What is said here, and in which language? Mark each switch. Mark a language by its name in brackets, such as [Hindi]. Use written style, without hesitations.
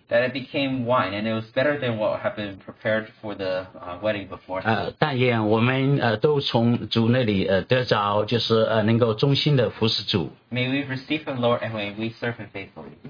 [English] That it became wine, and it was better than what had been prepared for the wedding before. [Chinese] 但愿我们都从主那里得着，就是能够忠心的服侍主。 [English] May we receive from the Lord, and may we serve Him faithfully.